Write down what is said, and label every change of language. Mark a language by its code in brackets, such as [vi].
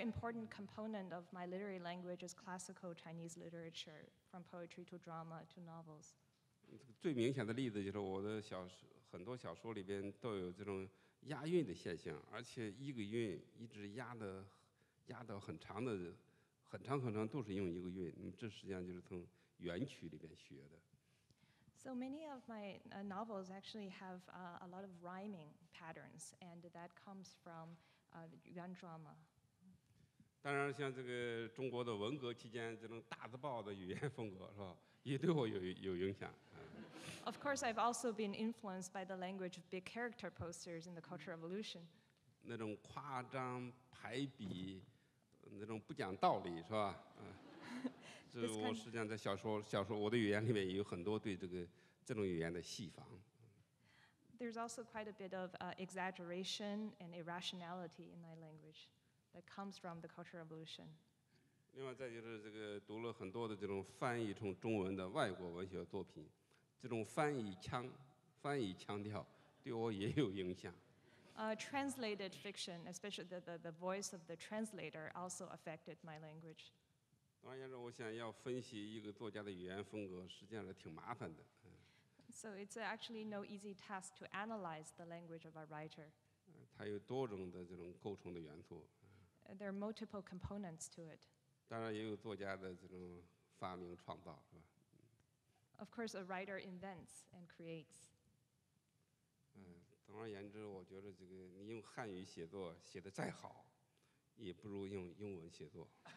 [en] important component of my literary language is classical Chinese literature, from poetry to drama to novels. [zh] 最明显的例子就是我的小很多小说里边都有这种押韵的现象，而且一个韵一直押到很长的很长很长都是用一个韵，这实际上就是从元曲里边学的。 [en] So many of my novels actually have a lot of rhyming patterns, and that comes from Yuan drama. [zh] 当然，像这个中国的文革期间这种大字报的语言风格是吧，也对我有影响。 [en] Of course, I've also been influenced by the language of big character posters in the Cultural Revolution. [zh] 那种夸张排比，那种不讲道理是吧？这我实际上在小说我的语言里面也有很多对这种语言的戏仿。 [en] There's also quite a bit of exaggeration and irrationality in my language that comes from the Cultural Revolution. [zh] 另外再就是这个读了很多的这种翻译成中文的外国文学作品，这种翻译腔调对我也有影响。 [en] Translated fiction, especially the voice of the translator, also affected my language. [zh] 当然我想要分析一个作家的语言风格实际上是挺麻烦的。 [en] So it's actually no easy task to analyze the language of a writer. [zh] 它有多种的这种构成的元素。 [en] There are multiple components to it. [zh] 当然也有作家的这种发明创造，是吧？ [en] Of course, a writer invents and creates. [zh] 总而言之，我觉得这个你用汉语写作写得再好，也不如用英文写作。